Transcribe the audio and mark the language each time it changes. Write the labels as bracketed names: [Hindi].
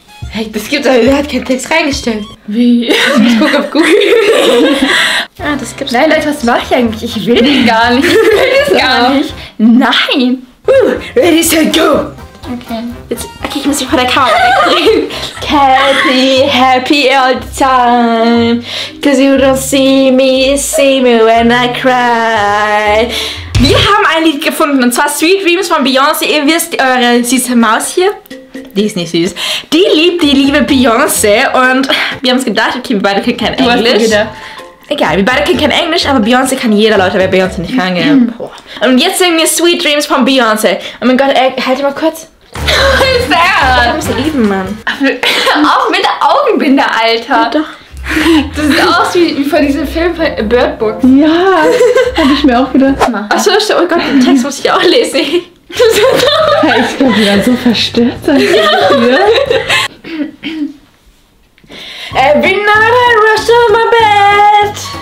[German] Hey, das gibt's aber, wer hat keinen Text reingestellt? Wie? Ich guck auf Google. Ja, das gibt's. Nein, Leute, was mache ich eigentlich? Ich will das gar nicht. Ich will das gar nicht. Nein. [English] Ready, set, go. Okay. [German] Jetzt, okay, ich muss mich vor der Kamera wegdrehen. [English] Happy, happy all the time. Cause you don't see me when I cry. [German] Wir haben ein Lied gefunden, und zwar Sweet Dreams von Beyoncé. Ihr wisst, eure süße Maus hier. Die ist nicht süß. Die liebt die liebe Beyoncé und wir haben uns gedacht, okay, wir beide können kein Englisch. Egal, wir beide können kein Englisch, aber Beyoncé kann jeder, Leute, wer Beyoncé nicht kann, gell? Boah. Und jetzt singen wir Sweet Dreams von Beyoncé. Oh mein Gott, ey, halt mal kurz. Sarah! Ich hab's lieben, Mann. Auch mit der Augenbinde, Alter. Ja, doch. Das sieht aus wie von diesem Film von Bird Box. Ja, hab ich mir auch wieder. Achso, oh Gott, den Text muss ich auch lesen. Ich glaube, wir so verstört sein. Ja. [English] Every night I rush to my bed.